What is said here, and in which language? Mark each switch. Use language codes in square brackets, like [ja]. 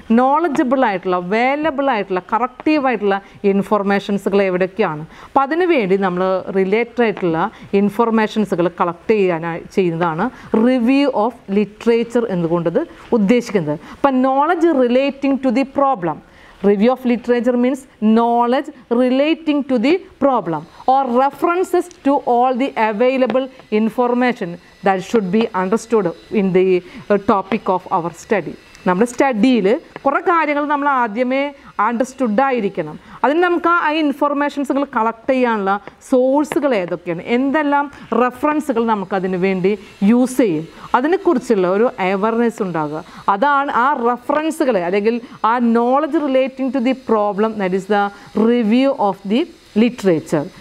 [ml] Knowledgeable ആയിട്ടുള്ള, available ആയിട്ടുള്ള, കറക്റ്റീവായിട്ടുള്ള ഇൻഫർമേഷൻസുകൾ എവിടെയൊക്കെയാണ്, അപ്പം അതിനുവേണ്ടി നമ്മൾ റിലേറ്റഡ് ആയിട്ടുള്ള ഇൻഫർമേഷൻസുകൾ കളക്ട് ചെയ്യാനായി ചെയ്യുന്നതാണ് റിവ്യൂ ഓഫ് ലിറ്ററേച്ചർ എന്നുകൊണ്ടത് ഉദ്ദേശിക്കുന്നത്. [en] അപ്പം knowledge relating to the problem. Review of literature means knowledge relating to the problem or references to all the available information that should be understood in the topic of our study. [ml] നമ്മുടെ സ്റ്റഡിയിൽ കുറേ കാര്യങ്ങൾ നമ്മൾ ആദ്യമേ understood ആയിരിക്കണം. അതിന് നമുക്ക് ആ ഇൻഫർമേഷൻസുകൾ collect ചെയ്യാനുള്ള സോഴ്സുകൾ ഏതൊക്കെയാണ്, എന്തെല്ലാം റെഫറൻസുകൾ നമുക്കതിന് വേണ്ടി യൂസ് ചെയ്യും, അതിനെക്കുറിച്ചുള്ള ഒരു അവയർനെസ് ഉണ്ടാകുക, അതാണ് ആ റെഫറൻസുകളെ അല്ലെങ്കിൽ ആ [en] Knowledge relating to the problem, that is the review of the literature.